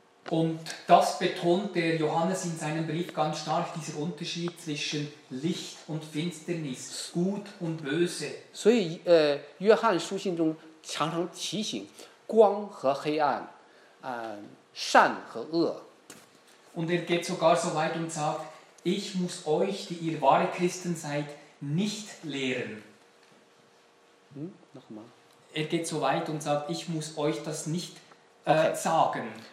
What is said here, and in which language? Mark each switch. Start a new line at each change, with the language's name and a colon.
German: Und das betont der Johannes in seinem Brief ganz stark, dieser Unterschied zwischen Licht und Finsternis, Gut und Böse.
Chinese: 所以约翰书信中常常提醒光和黑暗，善和恶。
German: Und geht sogar so weit und sagt, ich muss euch, die ihr wahre Christen seid, nicht lehren. Nochmal. Geht so weit und sagt, ich muss euch das nicht sagen.